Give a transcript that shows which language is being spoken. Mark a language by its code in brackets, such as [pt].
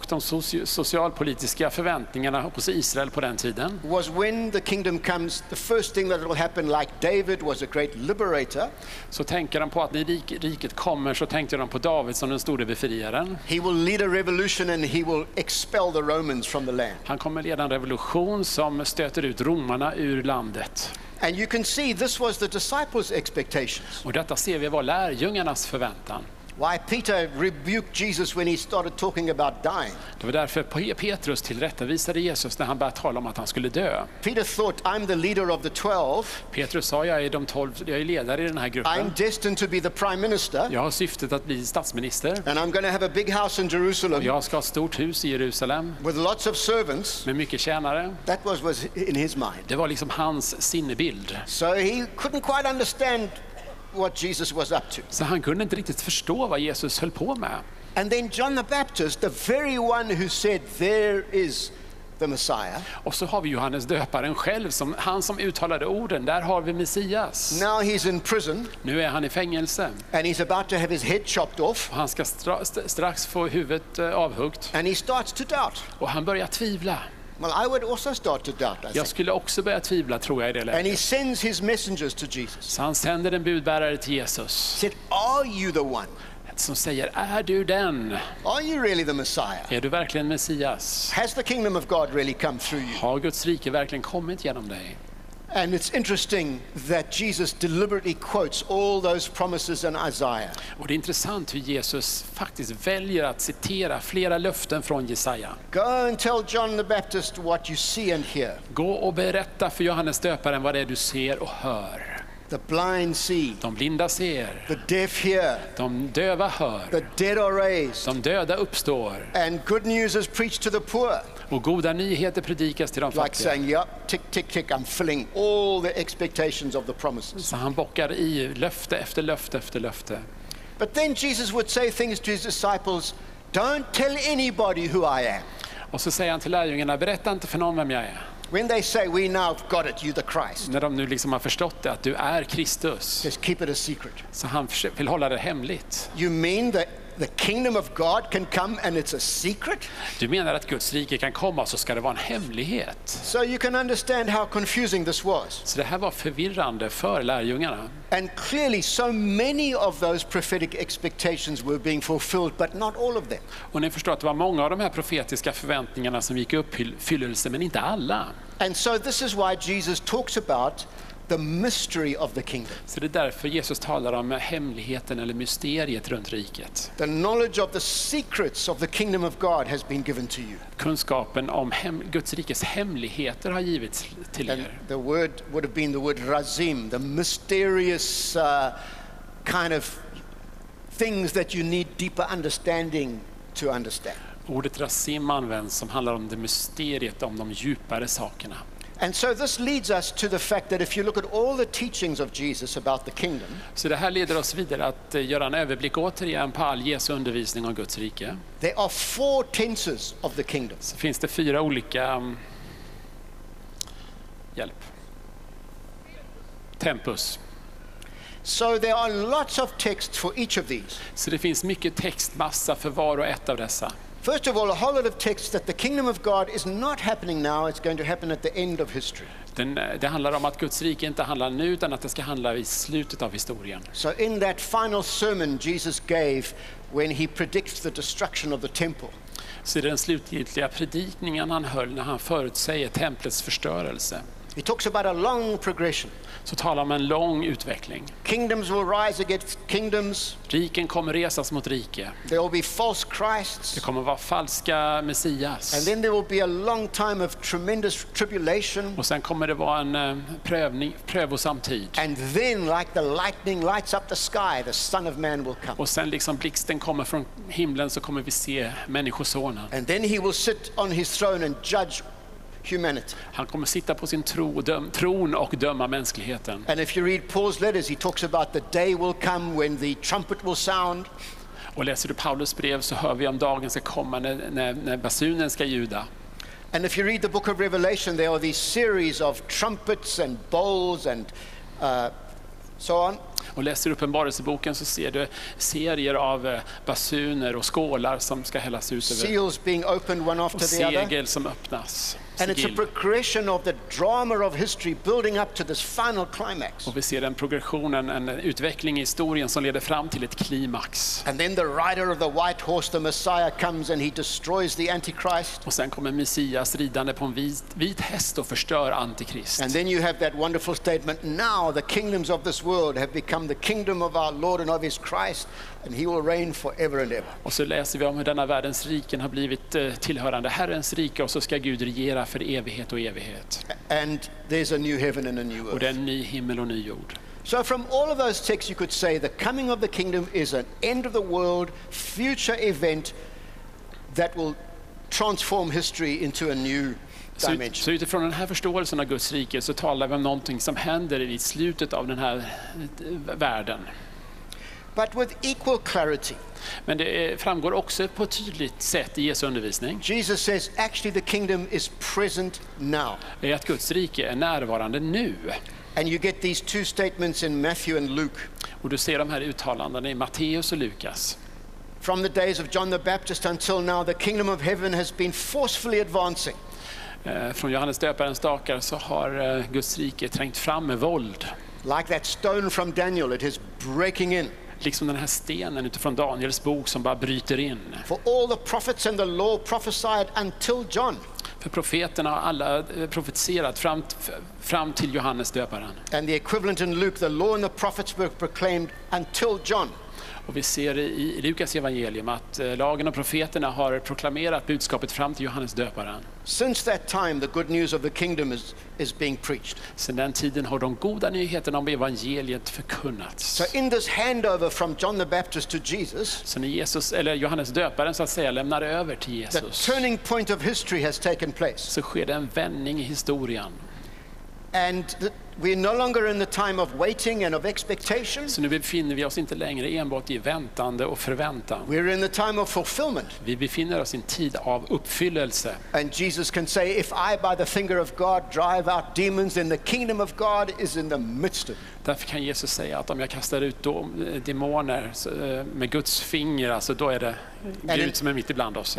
[sv] Och de socialpolitiska förväntningarna hos Israel på den tiden. [en] Was when the kingdom comes, the first thing that will happen, like David was a great liberator. [sv] Så tänker de på att när riket kommer, så tänkte de på David som den store befriaren. [en] He will lead a revolution and he will expel the Romans from the land. [sv] Han kommer leda en revolution som stöter ut romarna ur landet. [en] And you can see this was the disciples' expectations. [sv] Och detta ser vi var lärjungarnas förväntan. [en] Why Peter rebuked Jesus when he started talking about dying. [sv] Det var därför Petrus tillrättavisade Jesus när han började tala om att han skulle dö. [en] Peter thought, "I'm the leader of the 12." [sv] Petrus sa, jag är de 12, jag är ledare i den här gruppen. [en] I'm destined to be the prime minister. [sv] Jag har syftet att bli statsminister. [en] And I'm going to have a big house in Jerusalem. [sv] Och jag ska ha ett stort hus i Jerusalem. [en] With lots of servants. [sv] Med mycket tjänare. [en] That was in his mind. [sv] Det var liksom hans sinnebild. [en] So he couldn't quite understand what Jesus was up to. [sv] Så han kunde inte riktigt förstå vad Jesus höll på med. [en] And then John the Baptist, the very one who said there is the Messiah. [sv] Och så har vi Johannes döparen själv, som han som uttalade orden, där har vi Messias. [en] Now he's in prison. [sv] Nu är han i fängelse. [en] And he's about to have his head chopped off. [sv] Och han ska strax få huvudet avhuggt. [en] And he starts to doubt. [sv] Och han börjar tvivla. [en] Well, I would also start to doubt. [sv] Jag skulle också börja tvivla, tror jag, i det läget. [en] And he sends his messengers to Jesus. [sv] Så han sänder en budbärare till Jesus. [en] Said, "Are you the one?" [sv] Som säger, är du den? [en] Are you really the Messiah? [sv] Är du verkligen Messias? [en] Has the kingdom of God really come through you? [sv] Har Guds rike verkligen kommit genom dig? [en] And it's interesting that Jesus deliberately quotes all those promises in Isaiah. [sv] Och det är intressant hur Jesus faktiskt väljer att citera flera löften från Jesaja. [en] Go and tell John the Baptist what you see and hear. [sv] Gå och berätta för Johannes döparen vad det är du ser och hör. [en] The blind see. [sv] De blinda ser. [en] The deaf hear. [sv] De döva hör. [en] The dead are raised. [sv] De döda uppstår. [en] And good news is preached to the poor. [sv] Och goda nyheter predikas till de fattiga. [en] Like saying, yep, tick, tick, tick, I'm filling all the expectations of the promises. [sv] Så han bockar i löfte efter löfte efter löfte. [en] But then Jesus would say things to his disciples, don't tell anybody who I am. [sv] Och så säger han till lärjungarna, berätta inte för någon vem jag är. [en] When they say, we now have got it, you the Christ. [sv] När de nu liksom har förstått det, att du är Kristus. [en] Just keep it a secret. [sv] Så han vill hålla det hemligt. [en] You mean that the kingdom of God can come and it's a secret? [sv] Du menar att Guds rike kan komma så ska det vara en hemlighet? [en] So you can understand how confusing this was. [sv] Så det här var förvirrande för lärjungarna. [en] And clearly so many of those prophetic expectations were being fulfilled, but not all of them. [sv] Och ni förstår att det var många av de här profetiska förväntningarna som gick upp fyllelse, men inte alla. [en] And so this is why Jesus talks about the mystery of the kingdom. [sv] Så det är därför Jesus talar om hemligheten eller mysteriet runt riket. [en] The knowledge of the secrets of the kingdom of God has been given to you. [sv] Kunskapen om Guds rikes hemligheter har givits till er. [en] The word would have been the word razim, the mysterious kind of things that you need deeper understanding to understand. [sv] Ordet razim används som handlar om det mysteriet, om de djupare sakerna. [en] And so this leads us to the fact that if you look at all the teachings of Jesus about the kingdom. [sv] Så det här leder oss vidare att göra en överblick återigen på all Jesu undervisning om Guds rike. [en] There are four tenses of the kingdom. [sv] Så finns det fyra olika hjälp. Tempus. [en] So there are lots of texts for each of these. [sv] Så det finns mycket textmassa för var och ett av dessa. [en] First of all, a whole lot of texts that the kingdom of God is not happening now, it's going to happen at the end of history. [sv] Det handlar om att Guds rike inte handlar nu, utan att det ska handla i slutet av historien. [en] So in that final sermon Jesus gave when he predicts the destruction of the temple. [sv] Så den slutgiltiga predikningen han höll när han förutsäger templets förstörelse. [en] He talks about a long progression. [sv] Så talar om en lång utveckling. [en] Kingdoms will rise against kingdoms. [sv] Riken kommer resas mot rike. [en] There will be false Christs. [sv] Det kommer vara falska messias. [en] And then there will be a long time of tremendous tribulation. [sv] Och sen kommer det vara en prövosam tid. [en] And then like the lightning lights up the sky, the Son of Man will come. [sv] Och sen liksom blixten kommer från himlen, så kommer vi se människosonen. [en] And then he will sit on his throne and judge humanity. [sv] Han kommer sitta på sin tron och döma mänskligheten. [en] And if you read Paul's letters, he talks about the day will come when the trumpet will sound. [sv] Och läser du Paulus brev så hör vi om dagen ska komma när basunen ska ljuda. [en] And if you read the book of Revelation, there are these series of trumpets and bowls and so on. [sv] Och läser du Uppenbarelseboken så ser du serier av basuner och skålar som ska hällas ut över. [en] Seals being opened one after the other. [sv] Segel som öppnas. [en] And it's a progression of the drama of history building up to this final climax. [sv] Och vi ser en progression, en utveckling i historien som leder fram till ett klimax. [en] And then the rider of the white horse, the Messiah, comes and he destroys the Antichrist. [sv] Och sen kommer Messias ridande på en vit häst och förstör Antikrist. [en] And then you have that wonderful statement, now the kingdoms of this world have become the kingdom of our Lord and of his Christ, and he will reign forever and ever. [sv] Och så läser vi om hur denna världens riken har blivit tillhörande Herrens rike, och så ska Gud regera för evighet och evighet. [en] And there's a new heaven and a new earth. [sv] Och det är en ny himmel och ny jord. [en] So from all of those texts you could say the coming of the kingdom is an end of the world future event that will transform history into a new dimension. [sv] Så utifrån den här förståelsen av Guds rike så talar vi om någonting som händer i slutet av den här världen. [en] But with equal clarity. [sv] Men det framgår också på ett tydligt sätt i Jesu undervisning. [en] Jesus says actually the kingdom is present now. [sv] Är att Guds rike är närvarande nu. [en] And you get these two statements in Matthew and Luke. [sv] Och du ser de här uttalandena i Matteus och Lukas. [en] From the days of John the Baptist until now the kingdom of heaven has been forcefully advancing. [sv] Från Johannes döparens dagar så har Guds rike trängt fram med våld. [en] Like that stone from Daniel, it is breaking in. [sv] Liksom den här stenen utifrån Daniels bok som bara bryter in. [en] For all the prophets and the law prophesied until John. [sv] För profeterna har alla profeterat fram till Johannes döparen. [en] And the equivalent in Luke, the law and the prophets were proclaimed until John. [sv] Och vi ser i Lukas evangelium att lagen och profeterna har proklamerat budskapet fram till Johannes döparen. [en] Since that time the good news of the kingdom is being preached. [sv] Sedan den tiden har de goda nyheterna om evangeliet förkunnats. [en] So in this handover from John the Baptist to Jesus. [sv] Så när Jesus eller Johannes döparen så att säga lämnar över till Jesus. [en] The turning point of history has taken place. [sv] Så sker det en vändning i historien. [en] And we are no longer in the time of waiting and of expectation. [sv] Så nu befinner vi oss inte längre enbart i väntande och förväntan. [en] We are in the time of fulfillment. [sv] Vi befinner oss i en tid av uppfyllelse. [en] And Jesus can say, if I by the finger of God drive out demons, then the kingdom of God is in the midst of. [sv] Därför kan Jesus säga att om jag kastar ut demoner med Guds finger, alltså då är det Gud som är mitt ibland oss.